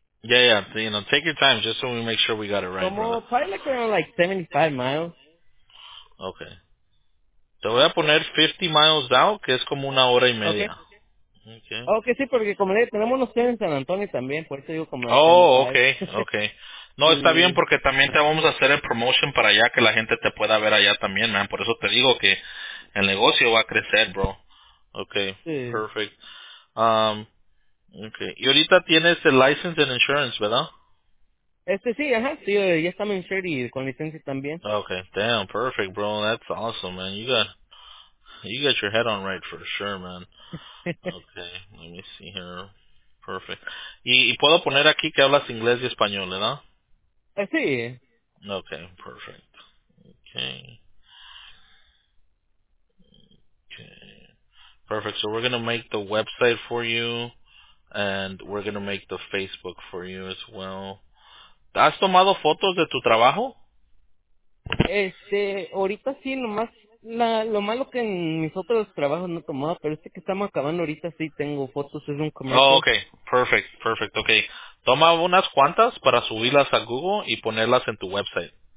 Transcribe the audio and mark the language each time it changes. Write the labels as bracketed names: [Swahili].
[English] Yeah, you know, take your time, just so we make sure we got it right. Como, probably like around like 75 miles. Okay. [Spanish] Te voy a poner 50 miles out, que es como una hora y media. Okay, sí, porque como le tenemos unos tenis en San Antonio también, por eso digo como... Oh, okay. No, está bien, porque también te vamos a hacer el promotion para allá, que la gente te pueda ver allá también, man. Por eso te digo que el negocio va a crecer, bro. Okay, sí. [English] Perfect. Okay. [Spanish] Y ahorita tienes el [English] license and insurance, [Spanish] ¿verdad? Sí, ajá. Sí, ya estamos insured y con licencia también. [English] Okay, damn, perfect, bro. That's awesome, man. You got your head on right for sure, man. Okay, let me see here. Perfect. [Spanish] Y puedo poner aquí que hablas inglés y español, ¿verdad? Sí. [English] Okay, perfect. Okay. Perfect. So we're going to make the website for you, and we're going to make the Facebook for you as well. [Spanish] ¿Has tomado fotos de tu trabajo? Ahorita sí, nomás, lo malo que en mis otros trabajos no he tomado, pero este que estamos acabando ahorita sí tengo fotos, es un comercio. [English] Oh, okay. Perfect. Okay. [Spanish] Toma unas cuantas para subirlas a Google y ponerlas en tu website.